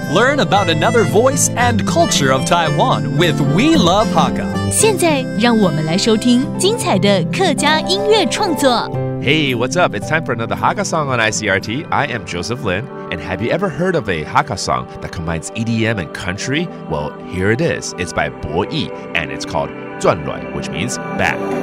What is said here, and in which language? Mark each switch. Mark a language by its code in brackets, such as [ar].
[en] Learn about another voice and culture of Taiwan with We Love Hakka。 [zh] 现在让我们来收听精彩的客家音乐创作。 [en] Hey, what's up? It's time for another Hakka song on ICRT. I am Joseph Lin. And have you ever heard of a Hakka song that combines EDM and country? Well, here it is. It's by 柏邑, and it's called 轉來, which means back.